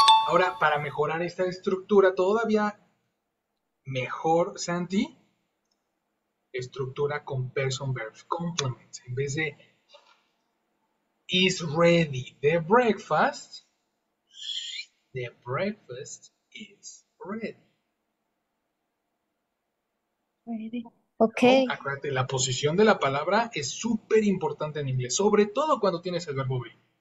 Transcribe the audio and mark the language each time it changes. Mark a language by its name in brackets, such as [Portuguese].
[Spanish] Ahora, para mejorar esta estructura todavía mejor, Santi. Estructura con [English] person verb complement. [Spanish] En vez de [English] is ready the breakfast, the breakfast is ready. [Spanish] ¿No? [English] Okay. [Spanish] Acuérdate, la posición de la palabra es súper importante en inglés, sobre todo cuando tienes el verbo be.